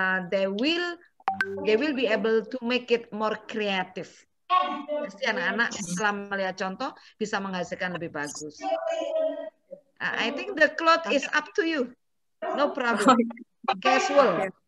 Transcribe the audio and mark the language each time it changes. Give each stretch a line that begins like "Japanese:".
English: They will be able to make it more creative.
Indonesian: Pasti anak-anak setelah melihat contoh bisa menghasilkan lebih bagus.
English: I think the cloth is up to you. No problem. Casual.